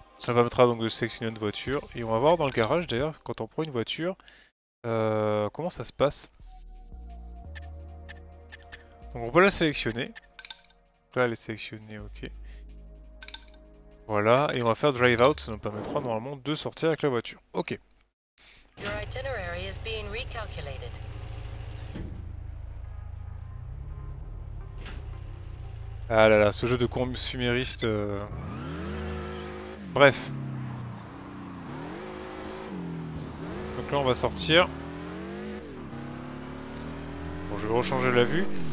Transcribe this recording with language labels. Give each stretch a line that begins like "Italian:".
French: Ça permettra donc de sélectionner une voiture. Et on va voir dans le garage d'ailleurs, quand on prend une voiture, comment ça se passe. Donc on peut la sélectionner. Là, elle est sélectionnée, ok. Voilà, et on va faire drive out. Ça nous permettra normalement de sortir avec la voiture. Ok.
English: Your itinerary is being recalculated.
French: Ah là là, ce jeu de consumériste. Bref. Donc là, on va sortir. Bon, je vais rechanger la vue.